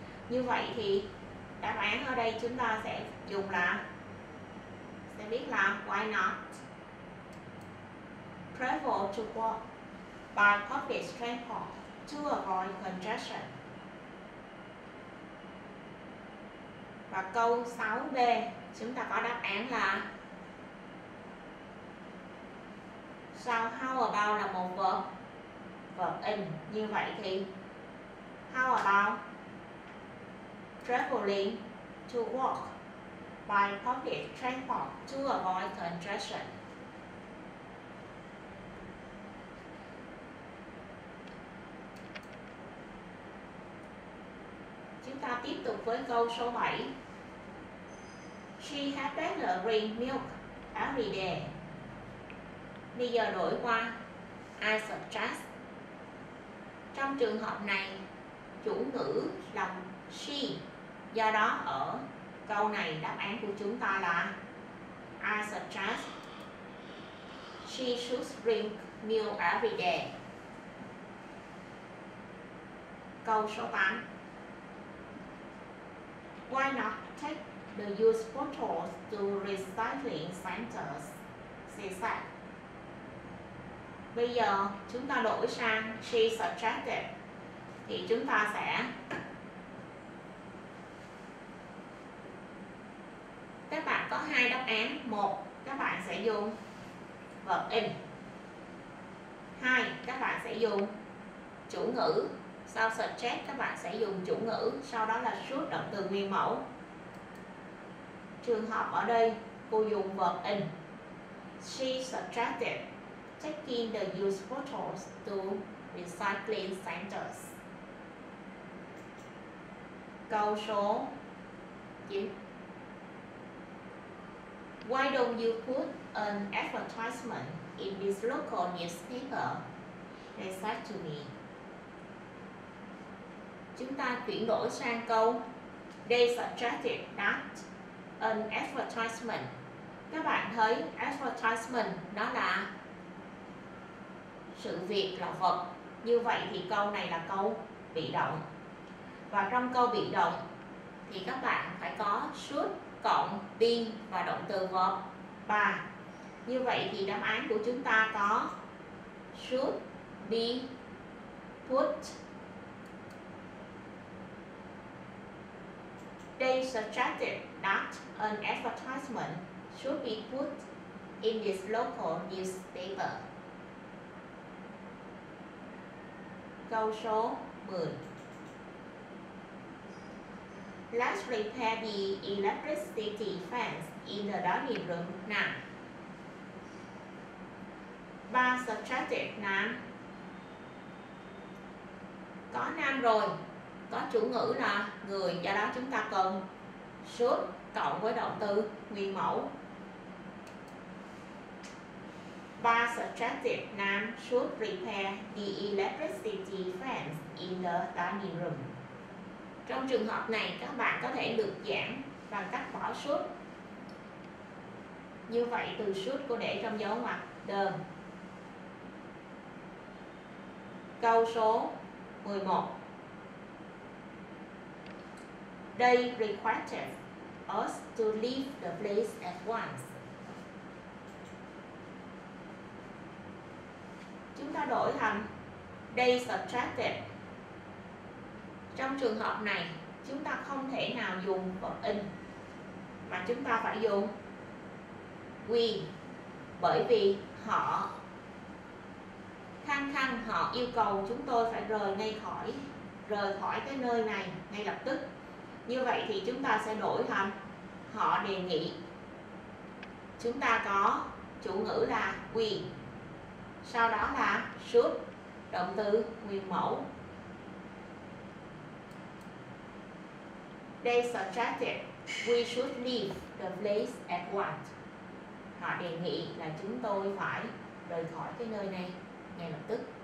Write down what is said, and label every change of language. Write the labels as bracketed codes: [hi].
[vi] Như vậy thì đáp án ở đây chúng ta sẽ dùng là, sẽ viết là [en] why not travel to work by public transport to avoid congestion. [vi] Và câu 6B chúng ta có đáp án là sau how about là một verb, verb in. Như vậy thì [en] how about traveling to work by public transport to avoid congestion. [vi] Chúng ta tiếp tục với câu số 7. [en] She had better drink milk every day. [vi] Bây giờ đổi qua [en] I suggest. [vi] Trong trường hợp này chủ ngữ là she. Do đó ở câu này đáp án của chúng ta là [en] I suggest she should drink milk every day. [vi] Câu số 8. [en] Why not take the used bottles to recycling centers, she said. [vi] Bây giờ chúng ta đổi sang [en] she suggested [vi] thì chúng ta sẽ các bạn có hai đáp án. Một, các bạn sẽ dùng verb in. Hai, các bạn sẽ dùng chủ ngữ. Sau suggest các bạn sẽ dùng chủ ngữ, sau đó là should động từ nguyên mẫu. Trường hợp ở đây cô dùng verb in. [en] She suggested taking the used bottles to recycling centers. [vi] Câu số 9. [en] Why don't you put an advertisement in this local newspaper? They said to me. [vi] Chúng ta chuyển đổi sang câu [en] they suggested that an advertisement. [vi] Các bạn thấy advertisement đó là sự việc, là vật. Như vậy thì câu này là câu bị động. Và trong câu bị động thì các bạn phải có should cộng been và động từ verb be. Như vậy thì đáp án của chúng ta có [en] should be put. They suggested that an advertisement should be put in this local newspaper. [vi] Câu số 10. [en] Let's repair the electricity fence in the dining room now. Ba suggested Nam. [vi] Có Nam rồi. Có chủ ngữ là người, do đó chúng ta cần should cộng với động từ nguyên mẫu. [en] Ba suggested Nam should repair the electricity fence in the dining room. [vi] Trong trường hợp này các bạn có thể được giảm bằng cách bỏ should. Như vậy từ should cô để trong dấu ngoặc the. Câu số 11. [en] They requested us to leave the place at once. [vi] Chúng ta đổi thành [en] they suggested. [vi] Trong trường hợp này, chúng ta không thể nào dùng verb in, mà chúng ta phải dùng we. Bởi vì họ khăng khăng, họ yêu cầu chúng tôi phải rời khỏi cái nơi này ngay lập tức. Như vậy thì chúng ta sẽ đổi thành họ đề nghị. Chúng ta có chủ ngữ là we, sau đó là should, động từ nguyên mẫu. [en] They suggested we should leave the place at once. [vi] Họ đề nghị là chúng tôi phải rời khỏi cái nơi này ngay lập tức.